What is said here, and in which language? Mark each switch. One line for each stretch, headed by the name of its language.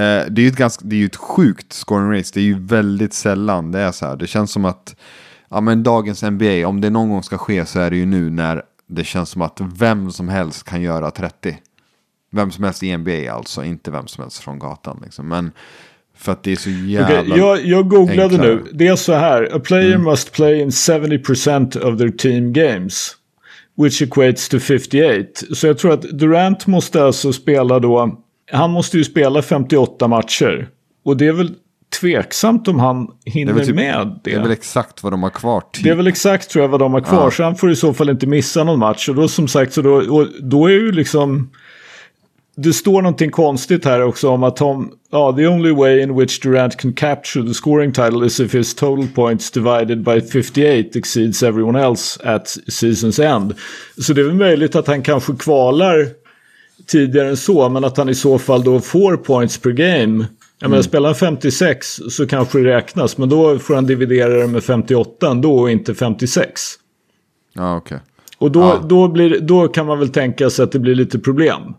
Swedish: Det är ju ett sjukt scoring race. Det är ju väldigt sällan det är så här. Det känns som att, ja, men dagens NBA, om det någon gång ska ske så är det ju nu, när det känns som att vem som helst kan göra 30. Vem som helst i NBA alltså, inte vem som helst från gatan. Liksom. Men för att det är så jävla... Okay, jag googlade enklare. Nu. Det är så här.
English: A player must play in 70% of their team games. Which equates to 58.
Swedish: Så jag tror att Durant måste alltså spela då... Han måste ju spela 58 matcher. Och det är väl... tveksamt om han hinner det typ, med det. Det är väl exakt vad de har kvar. Typ. Det är väl exakt, tror jag, vad de har kvar. Ja. Så han får i så fall inte missa någon match. Och då, som sagt, så då är ju liksom... Det står någonting konstigt här också om att Tom...
English: Ja, the only way in which Durant can capture the scoring title is if his total points divided by 58 exceeds everyone else at season's end.
Swedish: Så det är väl möjligt att han kanske kvalar tidigare än så, men att han i så fall då får points per game... Jag menar, spelar 56 så kanske det räknas, men då får han dividera det med 58 ändå och inte 56. Ja, okej.
English: Okay.
Swedish: Och då kan man väl tänka sig att det blir lite problem.